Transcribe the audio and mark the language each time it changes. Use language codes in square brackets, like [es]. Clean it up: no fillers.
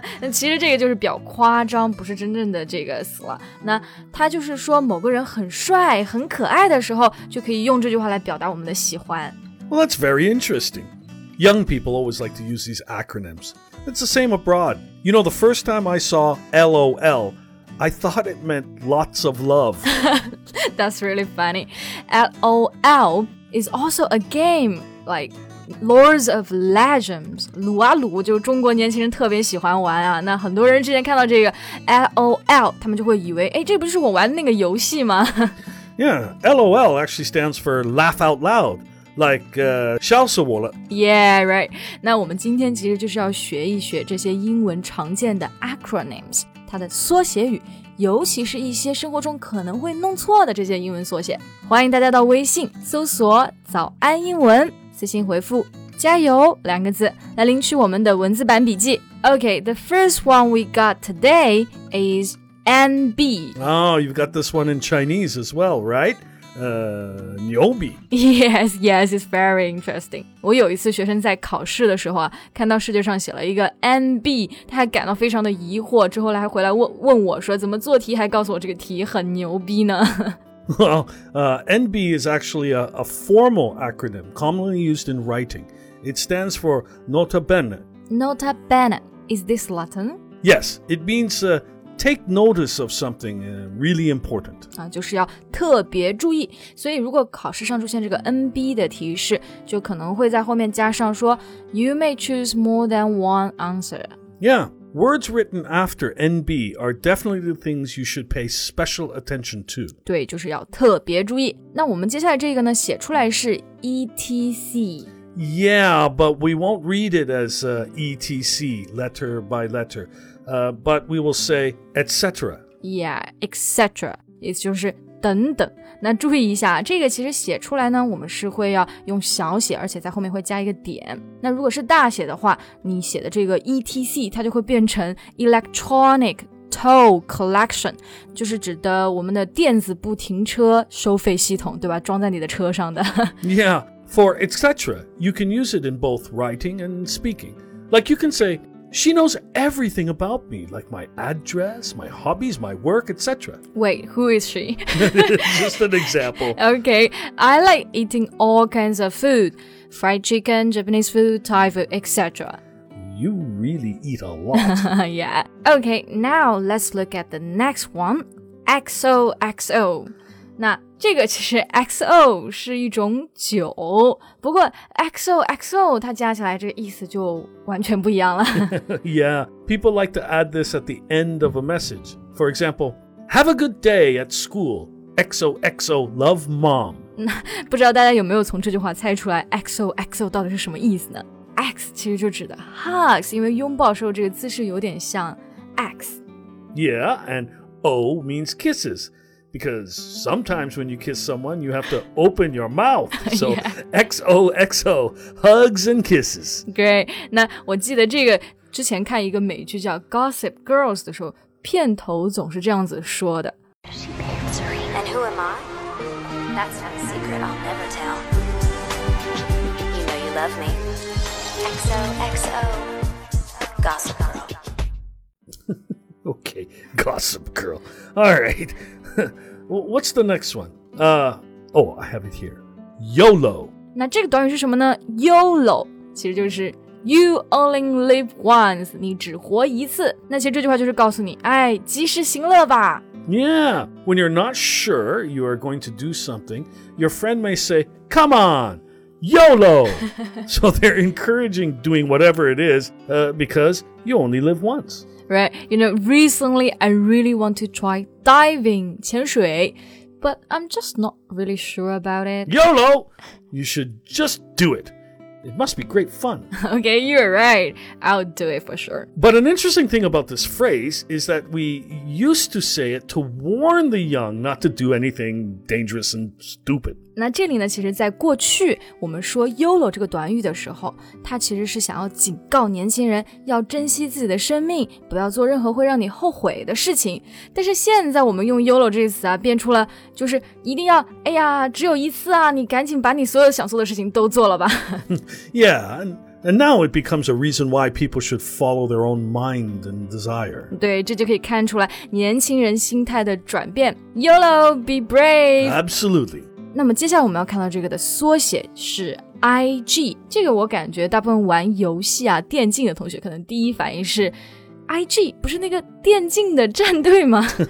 [zh] 其实这个就是比较夸张，不是真正的这个死了。那它就是说某个人很帅、很可爱的时候，就可以用这句话来表达我们的喜欢。 [en] Well, that's very interesting. Young people always like to use these acronyms. It's the same abroad. You know, the first time I saw LOL, I thought it meant lots of love. That's really funny. LOL is also a game, like Lords of Legends. [zh] 撸啊撸就中国年轻人特别喜欢玩啊。那很多人之前看到这个 LOL, 他们就会以为，哎，这不是我玩那个游戏吗？ [en] Yeah, LOL actually stands for laugh out loud. Like, [zh] 笑死我了。 [en] Yeah, right. [zh] 那我们今天其实就是要学一学这些英文常见的 acronyms, 它的缩写语，尤其是一些生活中可能会弄错的这些英文缩写。欢迎大家到微信搜索早安英文，私信回复加油两个字来领取我们的文字版笔记。 [en] Okay, the first one we got today is NB. Oh, you've got this one in Chinese as well, right? Newbie. Yes, yes, it's very interesting. [zh] 我有一次学生在考试的时候啊，看到试卷上写了一个 NB, 他还感到非常的疑惑，之后还回来 问我说怎么做题还告诉我这个题很牛逼呢？ [en] NB is actually a formal acronym commonly used in writing. It stands for Nota Bene. Nota Bene. Is this Latin? Yes, it means... Take notice of something really important. [zh] 啊，就是要特别注意。所以如果考试上出现这个 NB 的提示，就可能会在后面加上说 [en] You may choose more than one answer. Yeah, words written after NB are definitely the things you should pay special attention to. [zh] 对，就是要特别注意。那我们接下来这个呢，写出来是 ETC. [en] Yeah, but we won't read it as ETC, letter by letter, but we will say etc. Yeah, etc. [zh] 也就是等等。那注意一下，这个其实写出来呢，我们是会要用小写，而且在后面会加一个点。那如果是大写的话，你写的这个 ETC, 它就会变成 electronic toll collection, 就是指的我们的电子不停车收费系统，对吧？装在你的车上的。 [en] Yeah. For etc., you can use it in both writing and speaking. Like you can say, she knows everything about me, like my address, my hobbies, my work, etc. Wait, who is she? Just an example. Okay, I like eating all kinds of food. Fried chicken, Japanese food, Thai food, etc. You really eat a lot. Yeah. Okay, now let's look at the next one. XOXO. [zh] 那这个其实 XO 是一种酒，不过 XOXO 它加起来这个意思就完全不一样了。 [en] Yeah, people like to add this at the end of a message. For example, have a good day at school. XOXO, love mom. [zh] 不知道大家有没有从这句话猜出来 XOXO 到底是什么意思呢？ X 其实就指的 hugs, 因为拥抱时候这个姿势有点像 X. [en] Yeah, and O means kisses. Because sometimes when you kiss someone, you have to open your mouth. So, XOXO, hugs and kisses. Great. 那我记得这个之前看一个美剧叫 Gossip Girls 的时候，片头总是这样子说的。 And who am I? That's not a secret I'll never tell. You know you love me. XOXO, Gossip Girl. Okay, Gossip Girl. All right. What's the next one? I have it here. YOLO. [zh] 那这个短语是什么呢？ [en] YOLO [zh] 其实就是 [en] You only live once. [zh] 你只活一次。那其实这句话就是告诉你，哎，及时行乐吧。 [en] Yeah. When you're not sure you are going to do something, your friend may say, Come on, YOLO! So they're encouraging doing whatever it is, because you only live once. Right, you know, recently I really want to try diving, 潜水, but I'm just not really sure about it. YOLO! You should just do it. It must be great fun. Okay, you're right. I'll do it for sure. But an interesting thing about this phrase is that we used to say it to warn the young not to do anything dangerous and stupid. [zh] 那这里呢，其实在过去我们说 YOLO 这个短语的时候，它其实是想要警告年轻人要珍惜自己的生命，不要做任何会让你后悔的事情。但是现在我们用 YOLO 这个词啊，变出了就是一定要，哎呀，只有一次啊，你赶紧把你所有想做的事情都做了吧。 [en] Yeah, and now it becomes a reason why people should follow their own mind and desire. [zh] 对，这就可以看出来年轻人心态的转变。 [en] YOLO, be brave. Absolutely. [zh] 那么接下来我们要看到这个的缩写是 IG， 这个我感觉大部分玩游戏啊电竞的同学可能第一反应是 IG 不是那个电竞的战队吗？